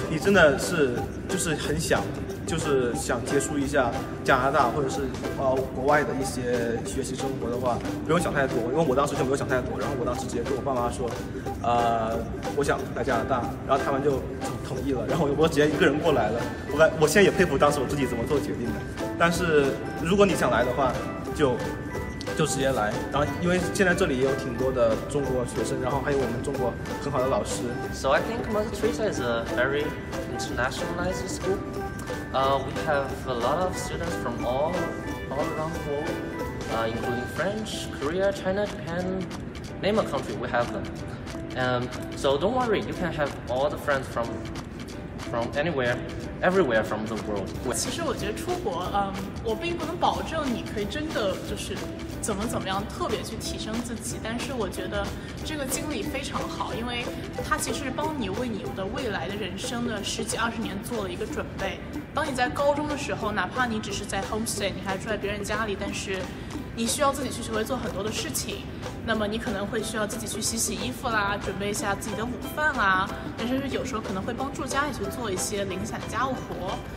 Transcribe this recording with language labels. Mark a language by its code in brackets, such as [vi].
[zh] 你真的是就是很想。就是想接触一下加拿大或者是国外的一些学习生活的话，不用想太多，因为我当时就没有想太多，然后我当时直接跟我爸妈说，我想来加拿大，然后他们就同意了，然后我直接一个人过来了。我现在也佩服当时我自己怎么做决定的。但是如果你想来的话，就直接来，然后因为现在这里也有挺多的中国学生，然后还有我们中国很好的老师。 [en] So I think Mother Teresa is a very internationalized school. We have a lot of students from all around the world, including French, Korea, China, Japan, name a country, we have them. So don't worry, you can have all the friends from anywhere, everywhere from the world. [zh] 其实我觉得出国，我并不能保证你可以真的就是怎么怎么样特别去提升自己，但是我觉得这个经历非常好，因为它其实帮你为你的未来的人生的十几二十年做了一个准备。当你在高中的时候，哪怕你只是在 homestay， 你还住在别人家里，但是你需要自己去学会做很多的事情，那么你可能会需要自己去洗洗衣服啦，准备一下自己的午饭啦，甚至有时候可能会帮助家里去做一些零散的家务活。